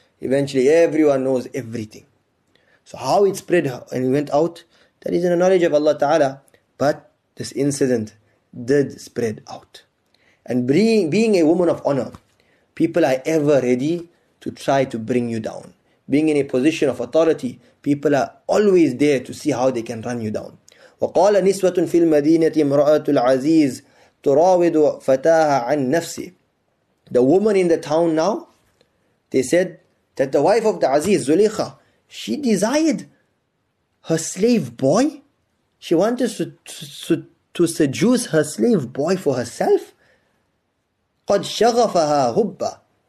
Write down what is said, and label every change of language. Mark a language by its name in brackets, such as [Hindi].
[English] Eventually everyone knows everything. So how it spread and went out, that is in the knowledge of Allah Ta'ala. But this incident did spread out. And being a woman of honor, people are ever ready to try to bring you down. being in a position of authority, people are always there to see how they can run you down. [Arabic] وقال نسوة في المدينة امرأة العزيز تراود فتاها عن نفسه. [English] The woman in the town now, they said that the wife of the Aziz, Zulaykha, she desired her slave boy. She wanted to seduce her slave boy for herself. [Arabic] قد شغفها هبة.